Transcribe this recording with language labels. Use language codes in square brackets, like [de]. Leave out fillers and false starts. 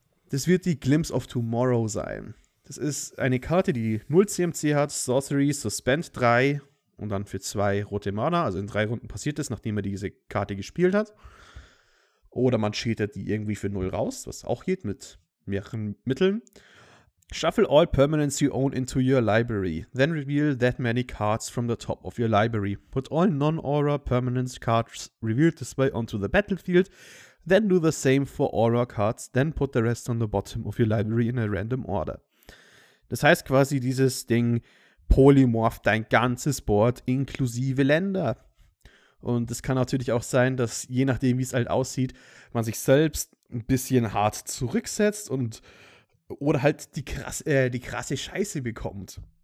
[de] Das wird die Glimpse of Tomorrow sein. Das ist eine Karte, die 0 CMC hat, Sorcery, Suspend 3 und dann für 2 rote Mana. Also in 3 Runden passiert es, nachdem er diese Karte gespielt hat. Oder man cheatet die irgendwie für 0 raus, was auch geht mit mehreren Mitteln. [en] Shuffle all permanents you own into your library. Then reveal that many cards from the top of your library. Put all non-aura permanents cards revealed this way onto the battlefield. Then do the same for aura cards. Then put the rest on the bottom of your library in a random order. [de] Das heißt quasi, dieses Ding polymorph dein ganzes Board inklusive Länder. Und es kann natürlich auch sein, dass je nachdem, wie es halt aussieht, man sich selbst ein bisschen hart zurücksetzt und oder halt die krasse Scheiße bekommt.